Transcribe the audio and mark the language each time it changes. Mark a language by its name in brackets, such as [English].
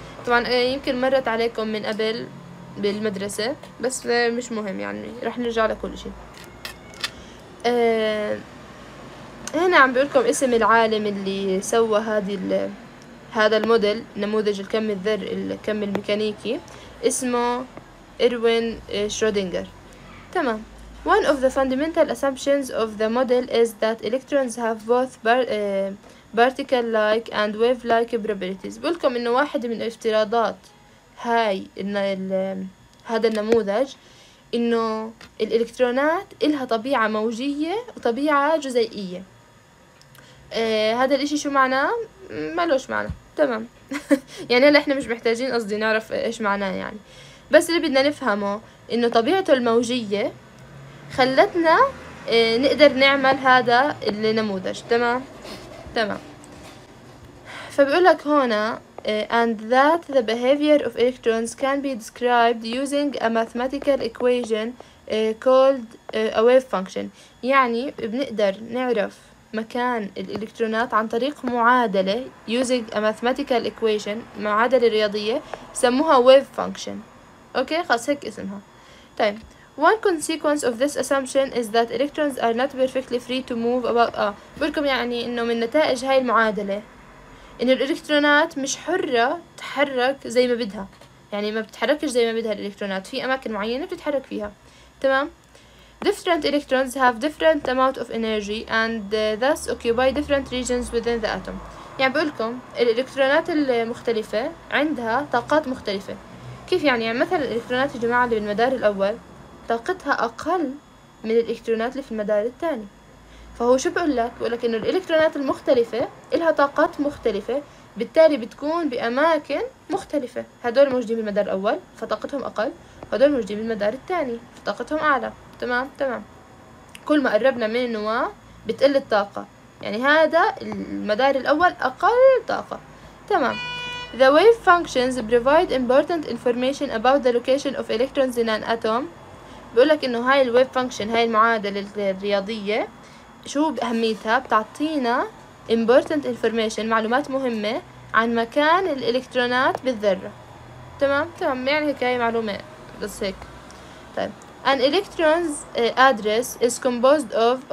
[Arabic] طبعا يمكن مرت عليكم من قبل بالمدرسة، بس مش مهم يعني، رح نرجع لكل شيء. هنا عم بقولكم اسم العالم اللي سوى هذا الموديل، نموذج الكم الميكانيكي، اسمه إروين شرودنجر. تمام. [English] One of the fundamental assumptions of the model is that electrons have both particle-like and wave-like properties. [Arabic] بقولكم إنه واحد من الافتراضات هاي هذا النموذج إنه الإلكترونات إلها طبيعة موجية وطبيعة جزيئية. هذا الإشي شو معناه؟ ملوش معنى. تمام. يعني هلا إحنا مش محتاجين قصدي نعرف إيش معناه يعني، بس اللي بدنا نفهمه إنه طبيعته الموجية خلتنا نقدر نعمل هذا النموذج. تمام. فبقولك هنا [English] and that the behavior of electrons can be described using a mathematical equation called a wave function. [Arabic] يعني بنقدر نعرف مكان الإلكترونات عن طريق معادلة [English] using a mathematical equation، [Arabic] معادلة رياضية سموها wave function. أوكي خلاص هيك اسمها. طيب. [English] One consequence of this assumption is that electrons are not perfectly free to move about. [Arabic] بقولكم يعني إنه من نتائج هاي المعادلة إن الإلكترونات مش حرة تتحرك زي ما بدها، يعني ما بتتحركش زي ما بدها الإلكترونات، في أماكن معينة بتتحرك فيها. تمام. [English] Different electrons have different amount of energy and thus occupy different regions within the atom. [Arabic] يعني بقولكم الإلكترونات المختلفة عندها طاقات مختلفة. كيف يعني؟ يعني مثلا الإلكترونات يا جماعة اللي بالمدار الأول طاقتها أقل من الإلكترونات اللي في المدار الثاني. فهو شو بقول لك؟ بقول لك إنه الإلكترونات المختلفة إلها طاقات مختلفة، بالتالي بتكون بأماكن مختلفة. هدول موجودين بالمدار الأول فطاقتهم أقل، هدول موجودين بالمدار الثاني فطاقتهم أعلى. تمام. كل ما قربنا من النواة بتقل الطاقة، يعني هذا المدار الأول أقل طاقة. تمام. [English] The wave functions provide important information about the location of electrons in an atom. [Arabic] بقولك إنه هاي الويف فانكشن، هاي المعادلة الرياضية، شو أهميتها؟ بتعطينا [English] important information، [Arabic] معلومات مهمة عن مكان الإلكترونات بالذرة. تمام. يعني هيك هاي معلومة بس هيك. طيب. [English] An electron's address is composed of.